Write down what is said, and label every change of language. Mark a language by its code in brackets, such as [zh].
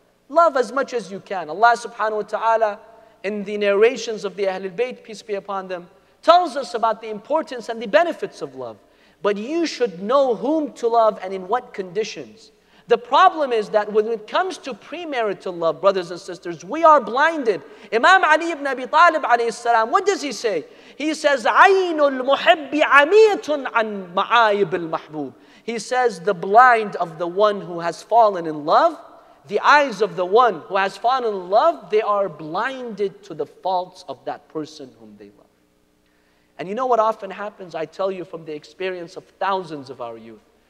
[en] Love as much as you can. Allah subhanahu wa ta'ala, in the narrations of the Ahlul Bayt, peace be upon them, tells us about the importance and the benefits of love. But you should know whom to love and in what conditions. The problem is that when it comes to premarital love, brothers and sisters, we are blinded. Imam Ali ibn Abi Talib alayhi salam, what does he say? He says, [ar] عَيْنُ الْمُحِبِّ عَمِيَةٌ عَنْ مَعَايِبِ الْمَحْبُوبِ. [en] He says, the blind of the one who has fallen in love, the eyes of the one who has fallen in love, they are blinded to the faults of that person whom they love. And you know what often happens? I tell you from the experience of thousands of our youth.